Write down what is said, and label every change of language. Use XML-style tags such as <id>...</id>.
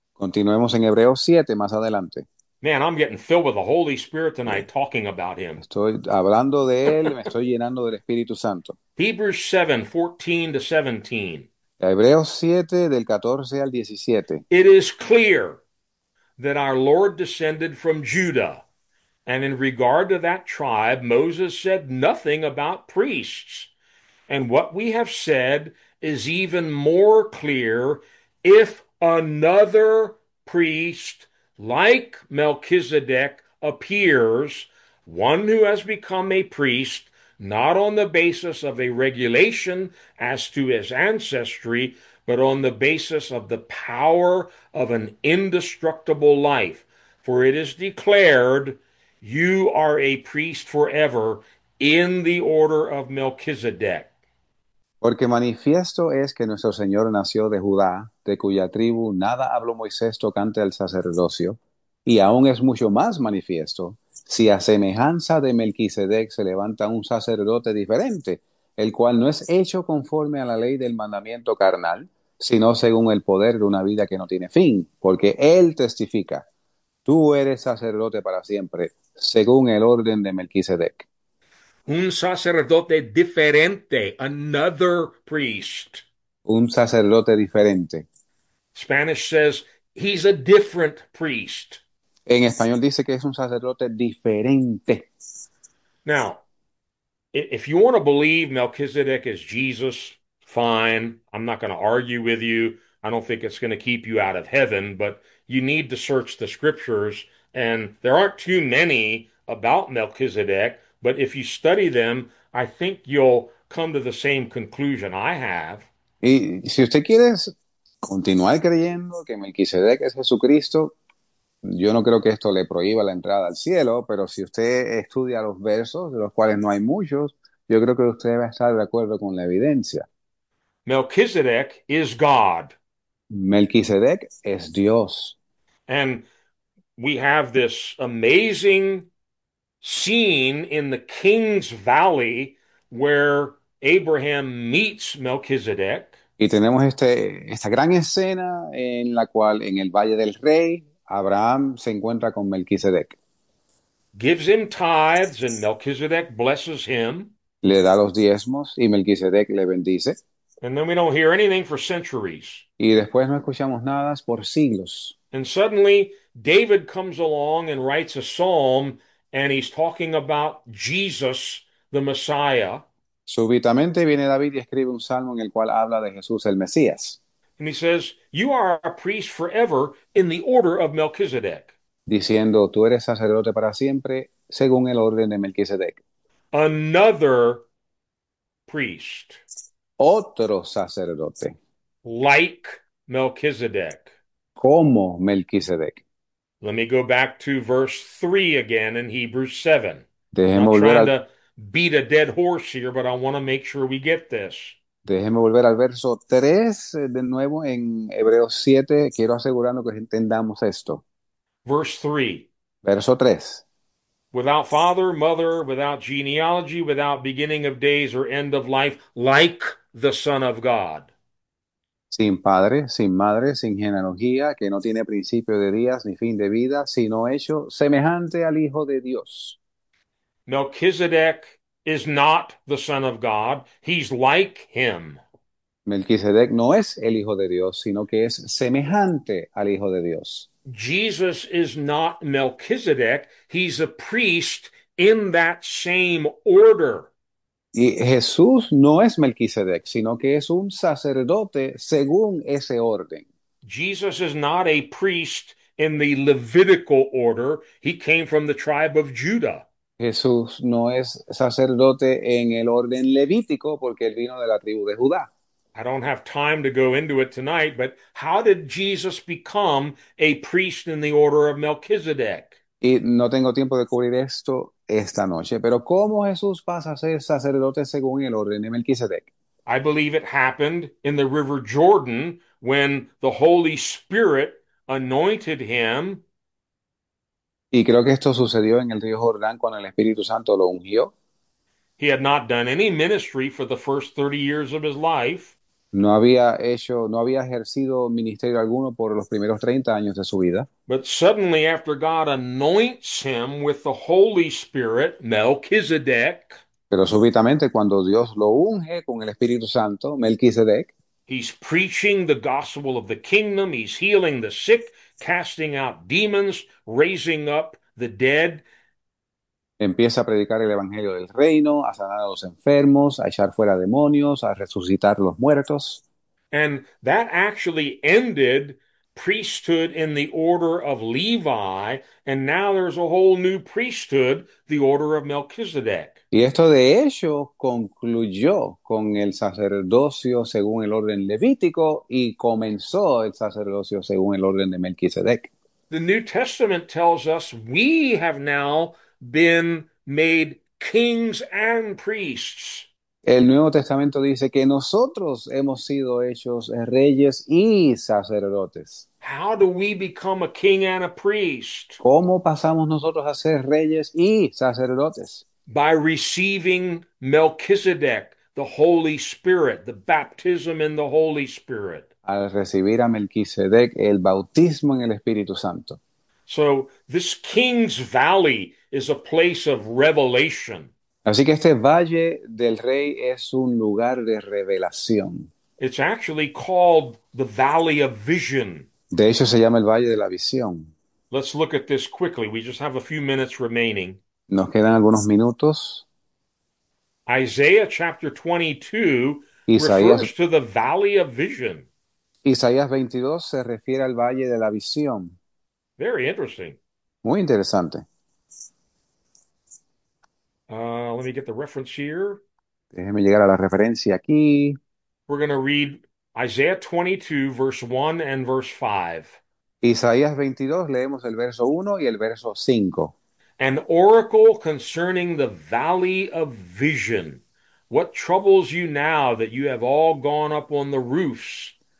<es>Continuemos en Hebreos 7 más adelante.</es> <en>Man, I'm getting filled with the Holy Spirit tonight talking about him.</en> <es>Estoy hablando de él, me estoy llenando del Espíritu Santo.</es> <en>Hebrews 7, 14 to 17.</en> <es>Hebreos 7 del 14 al 17.</es> <en>It is clear that our Lord descended from Judah, and in regard to that tribe, Moses said nothing about priests. And what we have said is even more clear if another priest like Melchizedek appears, one who has become a priest, not on the basis of a regulation as to his ancestry, but on the basis of the power of an indestructible life. For it is declared, you are a priest forever in the order of Melchizedek.</en> <es>Porque manifiesto es que nuestro Señor nació de Judá, de cuya tribu nada habló Moisés tocante al sacerdocio, y aún es mucho más manifiesto si a semejanza de Melquisedec se levanta un sacerdote diferente, el cual no es hecho conforme a la ley del mandamiento carnal, sino según el poder de una vida que no tiene fin, porque él testifica: tú eres sacerdote para siempre, según el orden de Melquisedec. Un sacerdote diferente,</es> <en>another priest.</en> <es>Un sacerdote diferente.</es> <en>Spanish says he's a different priest.</en> <es>En español dice que es un sacerdote diferente.</es> <en>Now, if you want to believe Melchizedek is Jesus, fine. I'm not going to argue with you. I don't think it's going to keep you out of heaven, but you need to search the scriptures, and there aren't too many about Melchizedek. But if you study them, I think you'll come to the same conclusion I have.</en> <es>Y si usted quiere continuar creyendo que Melquisedec es Jesucristo, yo no creo que esto le prohíba la entrada al cielo, pero si usted estudia los versos, de los cuales no hay muchos, yo creo que usted va a estar de acuerdo con la evidencia.</es> <en>Melchizedek is God.</en> <es>Melquisedec es Dios.</es> <en>And we have this amazing scene in the King's Valley where Abraham meets Melchizedek.</en> <es>Y tenemos esta gran escena en la cual en el Valle del Rey, Abraham se encuentra con Melquisedec.</es> <en>Gives him tithes and Melchizedek blesses him.</en> <es>Le da los diezmos y Melquisedec le bendice.</es> <en>And then we don't hear anything for centuries.</en> <es>Y después no escuchamos nada por siglos.</es> <en>And suddenly David comes along and writes a psalm. And he's talking about Jesus, the Messiah.</en> <es>Súbitamente viene David y escribe un salmo en el cual habla de Jesús el Mesías,</es> <en>And he says, you are a priest forever in the order of Melchizedek.</en> <es>diciendo: tú eres sacerdote para siempre según el orden de Melquisedec.</es> <en>Another priest</en> <es>Otro sacerdote</es> <en>like Melchizedek.</en> <es>como Melquisedec.</es> <en>Let me go back to verse 3 again in Hebrews 7. I'm</en> <es>Déjeme</es> <en>not</en> <es>volver</es> <en>trying</en> <es>al</es> <en>to beat a dead horse here, but I want to make sure we get this.</en> <es>Déjeme volver al verso 3 de nuevo en Hebreos 7. Quiero asegurarnos que entendamos esto.</es> <en>Verse 3.</en> <es>Verso 3.</es> <en>Without father, mother, without genealogy, without beginning of days or end of life, like the Son of God.</en> <es>Sin padre, sin madre, sin genealogía, que no tiene principio de días ni fin de vida, sino hecho semejante al Hijo de Dios.</es> <en>Melchizedek is not the son of God. He's like him.</en> <es>Melquisedec no es el Hijo de Dios, sino que es semejante al Hijo de Dios.</es> <en>Jesus is not Melchizedek. He's a priest in that same order.</en> <es>Y Jesús no es Melquisedec, sino que es un sacerdote según ese orden.</es> <en>Jesus is not a priest in the Levitical order. He came from the tribe of Judah.</en> <es>Jesús no es sacerdote en el orden levítico porque él vino de la tribu de Judá.</es> <en>I don't have time to go into it tonight, but how did Jesus become a priest in the order of Melchizedek?</en> <es>Y no tengo tiempo de cubrir esto esta noche, pero ¿cómo Jesús pasa a ser sacerdote según el orden de Melquisedec?</es> <en>I believe it happened in the River Jordan when the Holy Spirit anointed him.</en> <es>Y creo que esto sucedió en el río Jordán cuando el Espíritu Santo lo ungió.</es> <en>He had not done any ministry for the first 30 years of his life.</en> <es>No había ejercido ministerio alguno por los primeros 30 años de su vida.</es> <en>But suddenly, after God anoints him with the Holy Spirit, Melchizedek,</en> <es>Pero súbitamente, cuando Dios lo unge con el Espíritu Santo, Melquisedec,</es> <en>he's preaching the gospel of the kingdom. He's healing the sick, casting out demons, raising up the dead.</en> <es>empieza a predicar el Evangelio del Reino, a sanar a los enfermos, a echar fuera demonios, a resucitar los muertos.</es> <en>And that actually ended priesthood in the order of Levi, and now there's a whole new priesthood, the order of Melchizedek.</en> <es>Y esto de hecho concluyó con el sacerdocio según el orden levítico y comenzó el sacerdocio según el orden de Melquisedec.</es> <en>The New Testament tells us we have now been made kings and priests.</en> <es>El Nuevo Testamento dice que nosotros hemos sido hechos reyes y sacerdotes.</es> <en>How do we become a king and a priest?</en> <es>¿Cómo pasamos nosotros a ser reyes y sacerdotes?</es> <en>By receiving Melchizedek, the Holy Spirit, the baptism in the Holy Spirit.</en> <es>Al recibir a Melquisedec el bautismo en el Espíritu Santo.</es> <en>So this King's Valley is a place of revelation.</en> <es>Así que este Valle del Rey es un lugar de revelación.</es> <en>It's actually called the Valley of Vision.</en> <es>De hecho, se llama el Valle de la Visión.</es> <en>Let's look at this quickly. We just have a few minutes remaining.</en> <es>Nos quedan algunos minutos.</es> <en>Isaiah chapter 22 refers to the valley of vision.</en> <es>Isaías 22 se refiere al Valle de la Visión.</es> <en>Very interesting.</en> <es>Muy interesante.</es> <en>Let me get the reference here.</en> <es>Déjeme llegar a la referencia aquí.</es> <en>We're going to read Isaiah 22, verse 1 and verse 5.</en> <es>Isaías 22, leemos el verso 1 y el verso 5.</es> <en>An oracle concerning the valley of vision. What troubles you now that you have all gone up on the roofs?</en>